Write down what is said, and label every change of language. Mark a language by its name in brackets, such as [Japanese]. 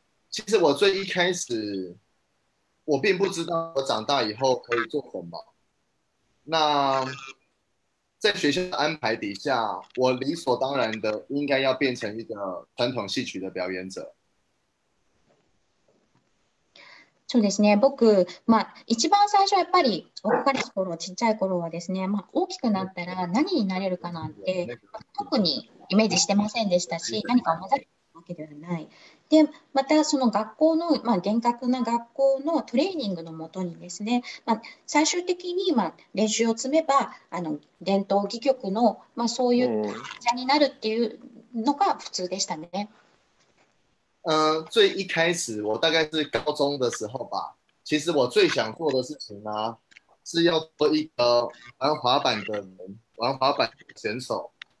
[Chinese] 其实我最一开始，我并不知道我长大以后可以做什么。那在学校的安排底下，我理所当然的应该要变成一个传统戏曲的表演者。 [Japanese] そうですね。僕、まあ、一番最初はやっぱり若かりし頃、ちっちゃい頃はですね、まあ、大きくなったら何になれるかなんて特にイメージしてませんでしたし、何かを目指すわけではない。で、またその学校の、まあ、厳格な学校のトレーニングのもとにですね、まあ、最終的に、まあ、練習を積めば伝統戯曲の、まあ、そういう者になるっていうのが普通でしたね。 [Chinese] 最一開始、我大概是高中的時候吧。其實我最想做的事情呢、是要做一個玩滑板的人、玩滑板的選手。